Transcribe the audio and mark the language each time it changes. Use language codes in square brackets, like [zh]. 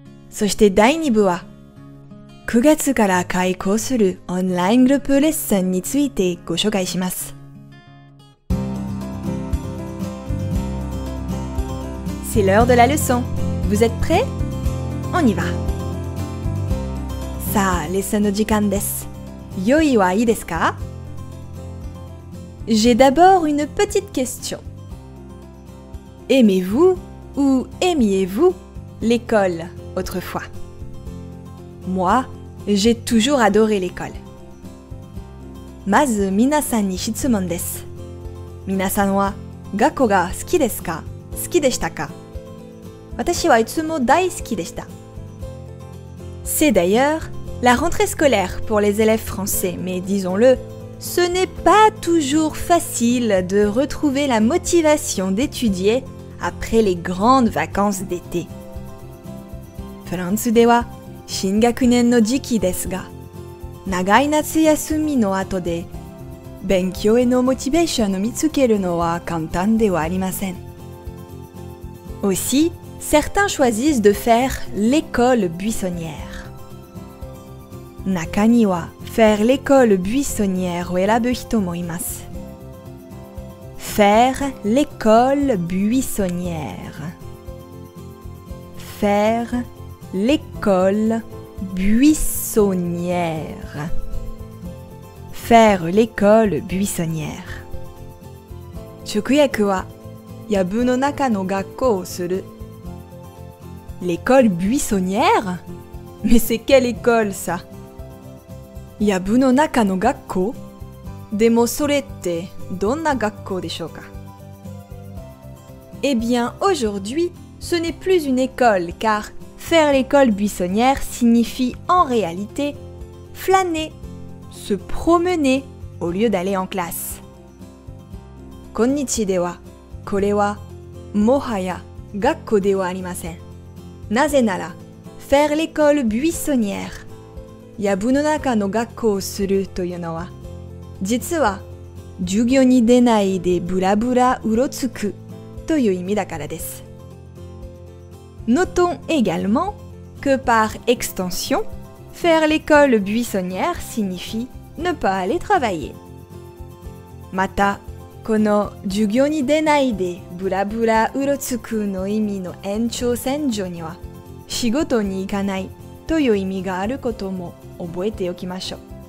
[ja] そして第2部は、9月から開講するオンライングループレッスンについてご紹介します。 [fr] C'est l'heure de la leçon. Vous êtes prêts? On y va! [ja] さあ、レッスンの時間です。用意はいいですか? [fr] J'ai d'abord une petite question. Aimez-vous ou aimiez-vous l'école autrefois? Moi, j'ai toujours adoré l'école. [ja] まず皆さんに質問です。皆さんは学校が好きですか? 好きでしたか? 私はいつも大好きでした。 [fr] C'est d'ailleurs la rentrée scolaire pour les élèves français, mais disons-le,Ce n'est pas toujours facile de retrouver la motivation d'étudier après les grandes vacances d'été. [ja] フランスでは新学年の時期ですが、長い夏休みの後で勉強へのモチベーションを見つけるのは簡単ではありません。 [fr] Aussi, certains choisissent de faire l'école buissonnière. [ja] 中には [fr] Faire l'école buissonnière [ja] を選ぶ人もいます。 [fr] Faire l'école buissonnière. Faire l'école buissonnière. Faire l'école buissonnière. [ja] 直訳は、やぶの中の学校をする。 [fr] L'école buissonnière? Mais c'est quelle école ça? [ja] やぶの中の学校? でもそれってどんな学校でしょうか? [fr] Eh bien, aujourd'hui, ce n'est plus une école, car faire l'école buissonnière signifie en réalité flâner, se promener au lieu d'aller en classe. [ja] Konnichiwa, これはもはや学校ではありません。なぜなら、 [fr] faire l'école buissonnière. [ja] やぶの中の学校をするというのは、実は、授業に出ないでブラブラうろつくという意味だからです。 [fr] Notons également que par extension, faire l'école buissonnière signifie ne pas aller travailler. [ja] また、この授業に出ないでブラブラうろつくの意味の延長線上には、仕事に行かないという意味があることも覚えておきましょう。